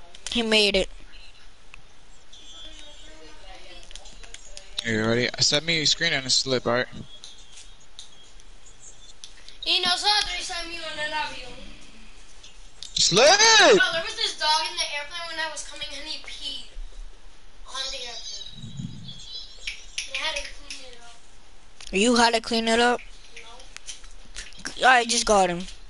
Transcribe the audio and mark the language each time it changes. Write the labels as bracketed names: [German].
[English] He made it. You ready? Send me a screen and a slip, alright? [Spanish] Y nosotros, Samuel, en el avión. [English] Slip! Bro, there was this dog in the airplane when I was coming and he peed on the airplane. And I had to clean it up. You had to clean it up? No. Alright, just got him.